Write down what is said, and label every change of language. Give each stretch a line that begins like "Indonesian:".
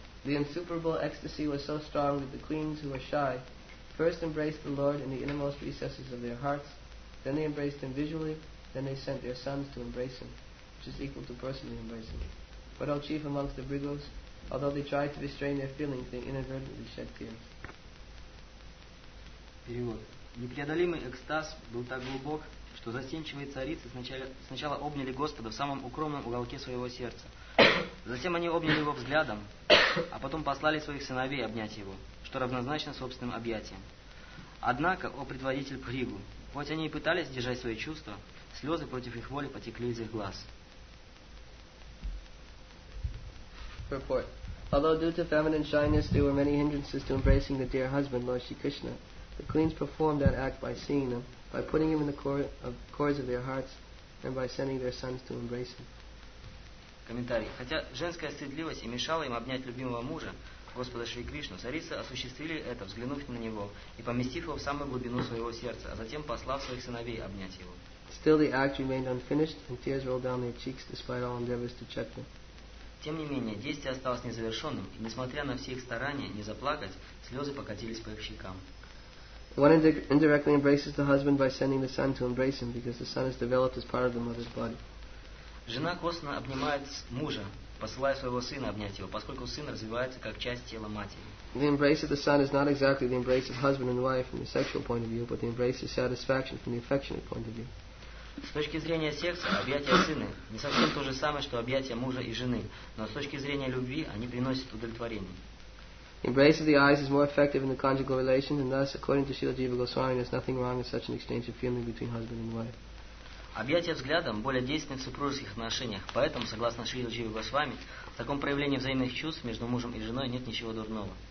English: The insuperable ecstasy was so strong that the queens who were shy first embraced the Lord in the innermost recesses of their hearts, then they embraced him visually, then they sent their sons to embrace him, which is equal to personally embracing him. But O chief amongst the brigos, although they tried to restrain their feelings, they inadvertently shed tears.
Russian: Перевод. Непреодолимый экстаз был так глубок, что застенчивые царицы сначала обняли Господа в самом укромном уголке своего сердца. Затем они обняли его взглядом, а потом послали своих сыновей обнять его, что равнозначно собственным объятиям. Однако, о предводитель Пхригу, хоть они и пытались держать свои чувства, слезы против их воли потекли из их глаз.
English: Purport. Although due to feminine shyness there were many hindrances to embracing the dear husband, Lord Shri Krishna, the queens performed that act by seeing him, by putting him in the cords of their hearts, and by sending their sons to embrace him.
Russian: Комментарий. Хотя женская стыдливость и мешала им обнять любимого мужа, Господа Шри Кришну, царицы осуществили это, взглянув на него и поместив его в самую глубину своего сердца, а затем послав своих сыновей обнять его.
English: Still the act remained unfinished, and tears rolled down their cheeks despite all endeavors to check them.
Russian: Тем не менее, действие осталось незавершенным, и несмотря на все их старания не заплакать, слезы покатились по их щекам.
English: One indirectly embraces the husband by sending the son to embrace him, because the son is developed as part of the mother's body.
Russian: Жена косвенно обнимает мужа, посылая своего сына обнять его, поскольку сын развивается как часть тела матери.
English: The embrace of the son is not exactly the embrace of husband and wife from the sexual point of view, but the embrace of satisfaction from the affectionate point of view.
Russian: С точки зрения секса, объятия сына не совсем то же самое, что объятия мужа и жены, но с точки зрения любви они приносят удовлетворение.
English: Embrace of the eyes is more effective in the conjugal relations, and thus, according to Srila Jiva Goswami, there's nothing wrong with such an exchange of feeling between husband and wife.
Russian: Объятия взглядом более действенны в супружеских отношениях, поэтому, согласно Шрила Джива Госвами, в таком проявлении взаимных чувств между мужем и женой нет ничего дурного.